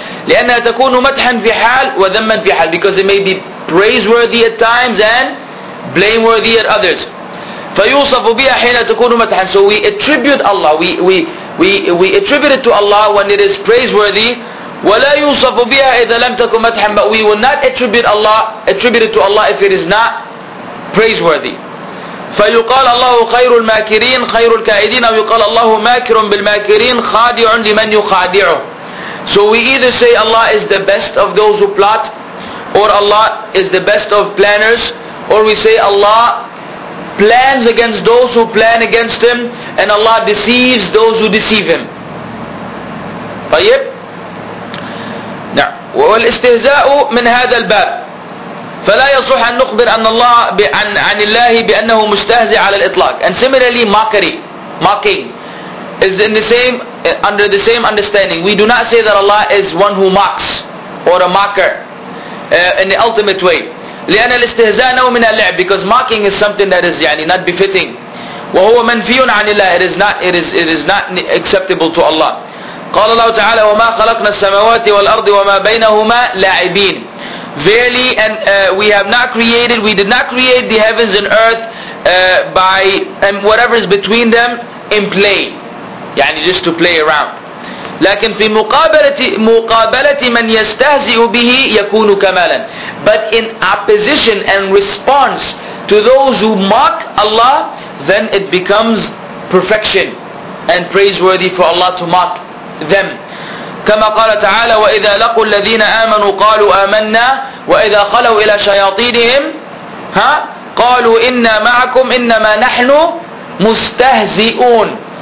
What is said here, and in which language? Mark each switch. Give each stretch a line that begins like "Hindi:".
Arabic: لأنها تكون مدحا في حال
English: وذما في حال, because it may be praiseworthy at times and blameworthy at others.
Arabic: فيوصف بها حين تكون مدحا.
English: So we attribute Allah, we attribute it to Allah when it is praiseworthy.
Arabic: ولا يوصف بها إذا لم تكن مدحا,
English: but we will not attribute it to Allah if it is not praiseworthy.
Arabic: فيقال الله خير الماكرين خير الكائدين, أو يقال الله ماكر بالماكرين خادع لمن يخادعه.
English: So we either say Allah is the best of those who plot, or Allah is the best of planners, or we say Allah plans against those who plan against him, and Allah deceives those who deceive him.
Arabic: طيب نعم. والاستهزاء من هذا الباب. فلا يصح أن نخبر أن الله عن الله بأنه مستهزئ على الإطلاق.
English: And similarly, mockery, mocking, is in the same, under the same understanding. We do not say that Allah is one who mocks or a mocker in the ultimate way.
Arabic: لأن الاستهزاء نوع من اللعب,
English: because mocking is something that is يعني not befitting.
Arabic: وهو منفي عن الله.
English: It is not acceptable to Allah.
Arabic: قال الله تعالى وما خلقنا السماوات والأرض وما بينهما لاعبين.
English: Verily, and we did not create the heavens and earth by and whatever is between them in play, يعني just to play around.
Arabic: لكن في مقابلة من يستهزئ به يكون كمالا.
English: But in opposition and response to those who mock Allah, then it becomes perfection and praiseworthy for Allah to mock them.
Arabic: كما قال تعالى وإذا لقوا الذين آمنوا قالوا آمنا وإذا خلوا إلى شياطينهم ها قالوا إنا معكم إنما نحن مستهزئون.